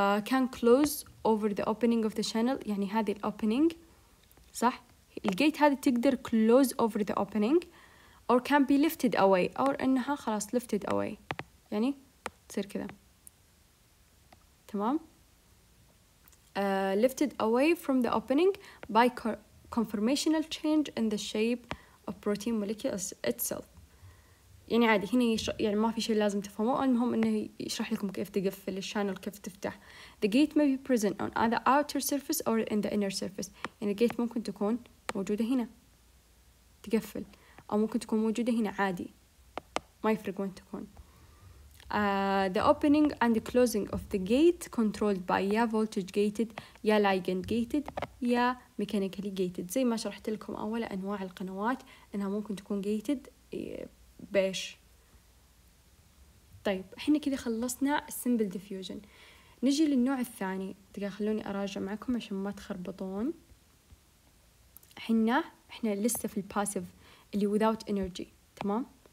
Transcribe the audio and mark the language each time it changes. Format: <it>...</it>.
<en>Can close over the opening of the channel</en> <ar>يعني هذه ال</ar> <en>opening</en> <ar>صح؟</ar> <en>ال gate هذه تقدر close over the opening or can be lifted away or</en> <ar>إنها خلاص</ar> <en>lifted away</en> <ar>يعني تصير كذا تمام؟</ar> <en>lifted away from the opening by conformational change in the shape of protein molecules itself.</en> <ar>يعني عادي هنا يعني ما في شيء لازم تفهموه، المهم إنه يشرح لكم كيف تقفل الشانل كيف تفتح.</ar> <en>The gate may be present on either outer surface or in the inner surface.</en> <ar>يعني الجيت ممكن تكون موجودة هنا تقفل أو ممكن تكون موجودة هنا عادي ما يفرق وين تكون.</ar> <en>The opening and the closing of the gate controlled by يا voltage gated يا ligand gated يا mechanically gated.</en> <ar>زي ما شرحت لكم أول أنواع القنوات إنها ممكن تكون gated بيش. طيب إحنا كده خلصنا</ar> <en>simple diffusion،</en> <ar>نجي للنوع الثاني. دقيقة خلوني أراجع معكم عشان ما تخربطون. إحنا لسه في passive اللي</ar> <en>without energy</en> <ar>تمام.</ar>